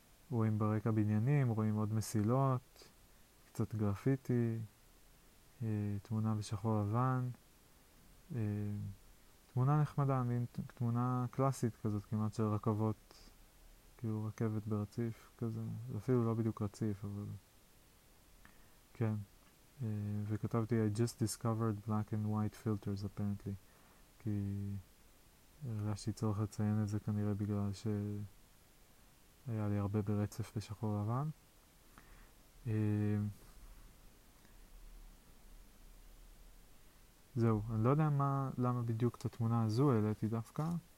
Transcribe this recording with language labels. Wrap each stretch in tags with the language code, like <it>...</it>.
<he>רואים ברקע בניינים, רואים עוד מסילות, קצת גרפיטי, תמונה בשחור לבן, תמונה נחמדה, מין תמונה קלאסית כזאת, כמעט של רכבות, כאילו רכבת ברציף כזה, אפילו לא בדיוק רציף, אבל כן. וכתבתי,</he> <en>I just discovered black and white filters, apparently.</en> <he>כי הרגשתי צורך לציין את זה כנראה בגלל שהיה לי הרבה ברצף בשחור לבן. זהו, אני לא יודע מה, למה בדיוק את התמונה הזו העליתי דווקא.</he>